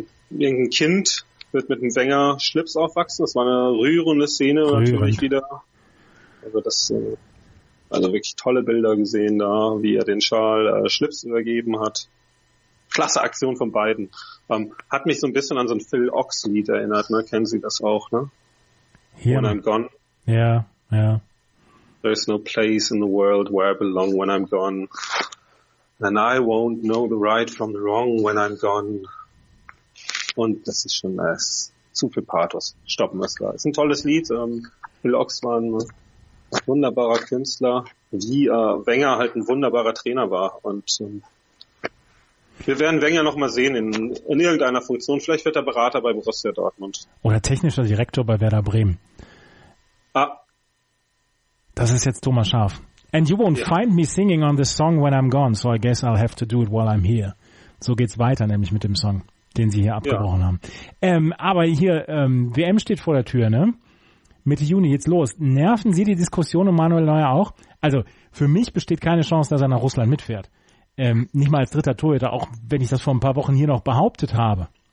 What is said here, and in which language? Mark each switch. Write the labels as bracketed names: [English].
[German] Irgendein Kind wird mit dem Wenger Schlips aufwachsen. Das war eine rührende Szene. Rührend. Natürlich wieder. Also das, also wirklich tolle Bilder gesehen da, wie er den Schal Schlips übergeben hat. Klasse Aktion von beiden. Hat mich so ein bisschen an so ein Phil Ox-Lied erinnert, ne? Kennen Sie das auch, ne? Hier. [English] When I'm gone. Ja, yeah, ja. Yeah. There's no place in the world where I belong when I'm gone. And I won't know the right from the wrong when I'm gone. [German] Und das ist schon zu viel Pathos. Stoppen wir es da. Ist ein tolles Lied. Phil Ox war ein wunderbarer Künstler. Wie Wenger halt ein wunderbarer Trainer war. Und wir werden Wenger nochmal sehen in irgendeiner Funktion. Vielleicht wird er Berater bei Borussia Dortmund. Oder technischer Direktor bei Werder Bremen. Ah. Das ist jetzt Thomas Schaaf. [English] And you won't find me singing on this song when I'm gone, so I guess I'll have to do it while I'm here. [German] So geht's weiter nämlich mit dem Song, den Sie hier abgebrochen haben. Aber hier, WM steht vor der Tür, ne? Mitte Juni, jetzt los. Nerven Sie die Diskussion um Manuel Neuer auch? Also, für mich besteht keine Chance, dass er nach Russland mitfährt. Nicht mal als dritter Torhüter, auch wenn ich das vor ein paar Wochen hier noch behauptet habe.